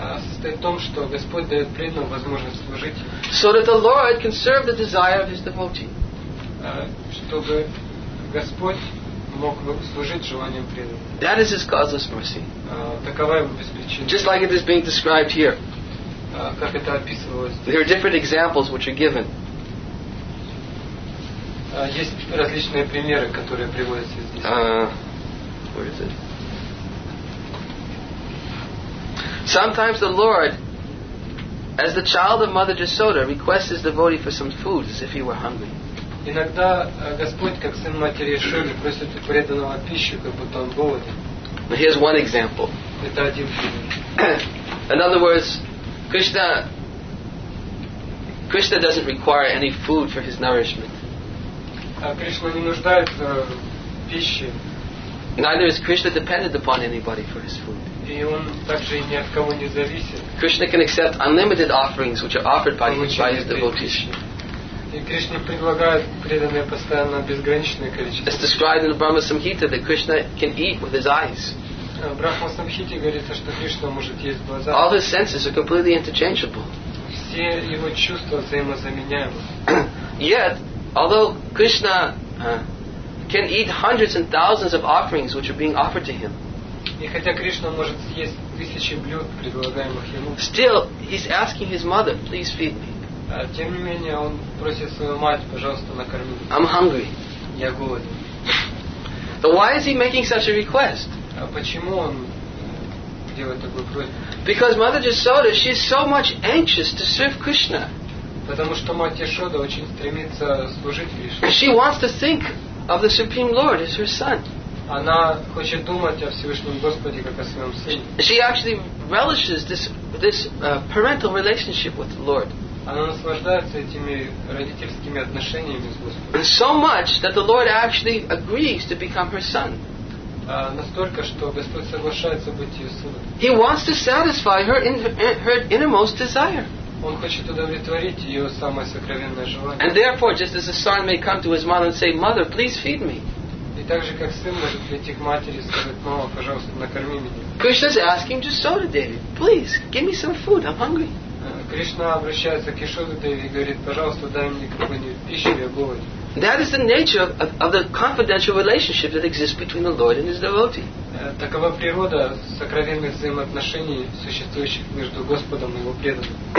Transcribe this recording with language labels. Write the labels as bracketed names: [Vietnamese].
[Russian] Состоит в том, что Господь дает преданному возможность служить. [English] So that the Lord can serve the desire of his devotee. [Russian] Чтобы Господь мог служить желанием преданного. [English] That is his causeless mercy. [Russian] Такова его беспричинная. [English] Just like it is being described here. [Russian] Как это описывалось? [English] There are different examples which are given. [Russian] Есть различные примеры, которые приводятся здесь. [English] Where is it? Sometimes the Lord, as the child of Mother Jasoda, requests his devotee for some food as if he were hungry. [Russian] Иногда Господь, как сын матери Ишоды, просит у преданного пищу, как будто он голоден. [English] Now here's one example. [Russian] Это один пример. [English] In other words, Krishna doesn't require any food for his nourishment. [Russian] Кришна не нуждается в пище. [English] Neither is Krishna dependent upon anybody for his food. [Russian] И он также ни от кого не зависит. [English] Krishna can accept unlimited offerings which are offered by his devotees. [Russian] И Кришна предлагает преданное постоянно безграничное количество. [English] It's described in the Brahma Samhita that Krishna can eat with his eyes. [Russian] В Брахма Самхите говорится, что Кришна может есть глаза. [English] All his senses are completely interchangeable. [Russian] Все его чувства взаимозаменяемы. [English] Yet, although Krishna can eat hundreds and thousands of offerings which are being offered to him. [Russian] И хотя Кришна может съесть тысячи блюд, предлагаемых ему. [English] Still, he's asking his mother, please feed me. [Russian] Тем не менее, он просит свою мать, пожалуйста, накорми. [English] I'm hungry. [Russian] Я голоден. [English] So why is he making such a request? [Russian] А почему он делает такую просьбу? [English] Because Mother Yashoda, she's so much anxious to serve Krishna. [Russian] Потому что мать Яшода очень стремится служить Кришне. [English] She wants to think of the Supreme Lord as her son. [Russian] Она хочет думать о Всевышнем Господе как о своем сыне. [English] She actually relishes this parental relationship with the Lord. [Russian] Она наслаждается этими родительскими отношениями с Господом. [English] And so much that the Lord actually agrees to become her son. [Russian] Настолько, что Господь соглашается быть ее сыном. [English] He wants to satisfy her innermost desire. [Russian] Он хочет удовлетворить ее самое сокровенное желание. [English] And therefore, just as a son may come to his mother and say, "Mother, please feed me." [Russian] И так же, как сын может прийти к матери и сказать, "Мама, пожалуйста, накорми меня." [English] Krishna is asking Yashoda Devi, "Please, give me some food. I'm hungry." [Russian] Кришна обращается к Яшоде Деви и говорит, "Пожалуйста, дай мне какую-нибудь пищу, я голоден." [English] That is the nature of the confidential relationship that exists between the Lord and his devotee. [Russian] Такова природа сокровенных взаимоотношений, существующих между Господом и его преданным.